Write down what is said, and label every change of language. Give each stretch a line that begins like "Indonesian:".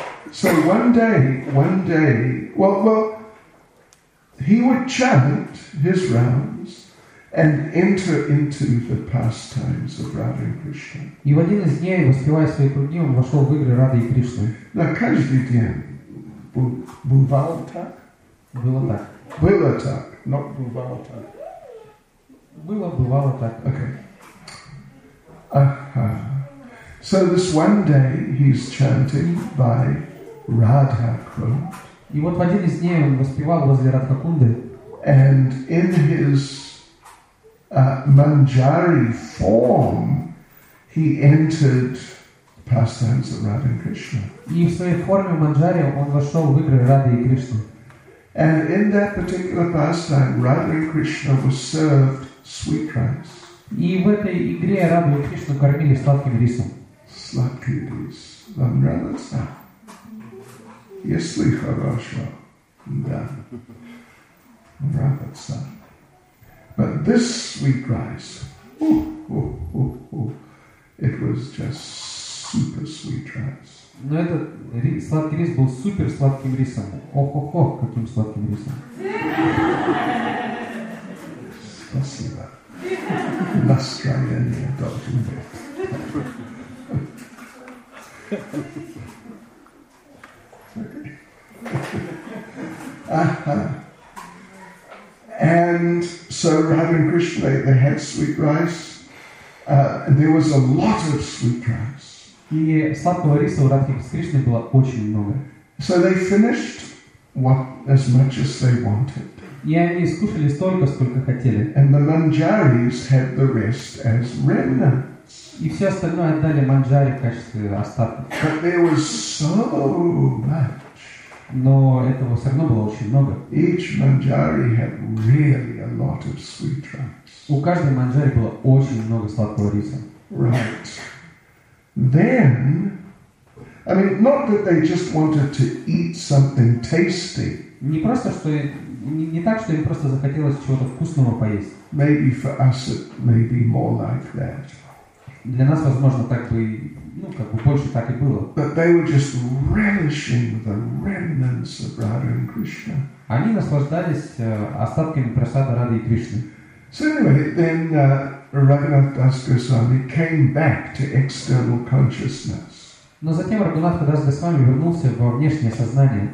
English: So one day, well, he would chant his rounds. And enter into the pastimes of Radha and Krishna.
Russian: И в один из дней, воспевая свои круги, он вошел в игры Рады и Кришны. На каждый день бывало так? Было так. Было так,
English: not
Russian: бывало так. Бывало так.
English: Okay. Aha. So this one day he's chanting by Radha Kund.
Russian: И вот в один из дней он воспевал возле Радха Кунды.
English: And in his Manjari form, he entered pastimes of Radha and Krishna.
Russian: И в своей форме манджари он вошел в игры Рады и Кришны.
English: And in that particular pastime, Radha and Krishna were served sweet rice.
Russian: И в этой игре Рада и Кришна кормили сладким рисом. Сладкий рис, вам нравится? Если хорошо, да, нравится. But this sweet rice, it was just super sweet rice. Но этот сладкий рис был супер сладким рисом. О-хо-хо, каким сладким рисом. Спасибо. Настроение должен быть.
English: And so Radha and Krishna, they had sweet rice, and there was a lot of sweet rice.
Russian: И сладкого риса у Радхи с Кришной было очень много.
English: So they finished what as much as they wanted.
Russian: И они скушали столько, сколько хотели.
English: And the manjaris had the rest as remnants.
Russian: И все остальное отдали манджари в качестве остатков.
English: But there was so much.
Russian: Но этого все равно было очень много.
English: Each manjari had really a lot of sweet rice.
Russian: У каждой манджари было очень много сладкого риса.
English: Right. Then, I mean, not that they just wanted to eat something tasty.
Russian: Не просто что, не так, что им просто захотелось чего-то вкусного поесть.
English: Maybe for us it may be more like that.
Russian: Для нас, возможно, так бы, ну, как бы больше так и было.
English: But they were just relishing the remnants of Radha and Krishna.
Russian: Они наслаждались остатками просады Рады и Кришны.
English: So anyway, then Raghunath Das Goswami came back to external consciousness.
Russian: Но затем Раганат Дас Госвами вернулся во внешнее сознание.